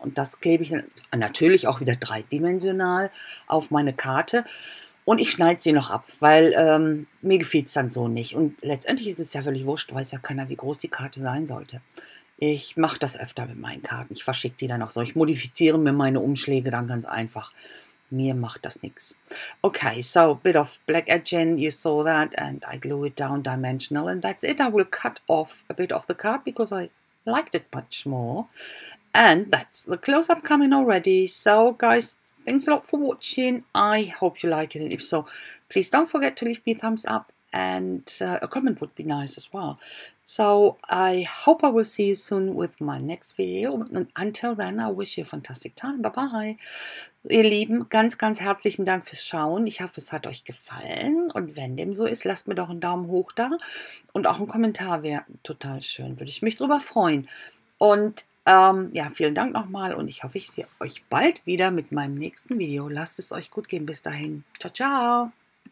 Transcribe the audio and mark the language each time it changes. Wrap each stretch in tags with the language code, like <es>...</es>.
<de>Und das klebe ich dann natürlich auch wieder dreidimensional auf meine Karte. Und ich schneide sie noch ab, weil mir gefällt es dann so nicht. Und letztendlich ist es ja völlig wurscht, weiß ja keiner, wie groß die Karte sein sollte. Ich mache das öfter mit meinen Karten. Ich verschicke die dann auch so. Ich modifiziere mir meine Umschläge dann ganz einfach. Mir macht das nichts.</de> <en>Okay, so, bit of black edging, you saw that, and I glue it down dimensional, and that's it. I will cut off a bit of the card because I liked it much more. And that's the close-up coming already. So, guys, thanks a lot for watching. I hope you like it, and if so, please don't forget to leave me a thumbs up, and a comment would be nice as well. So, I hope I will see you soon with my next video. And until then, I wish you a fantastic time. Bye-bye.</en> <de>Ihr Lieben, ganz, ganz herzlichen Dank fürs Schauen. Ich hoffe, es hat euch gefallen. Und wenn dem so ist, lasst mir doch einen Daumen hoch da. Und auch ein Kommentar wäre total schön. Würde ich mich drüber freuen. Und ja, vielen Dank nochmal. Und ich hoffe, ich sehe euch bald wieder mit meinem nächsten Video. Lasst es euch gut gehen. Bis dahin. Ciao, ciao.</de>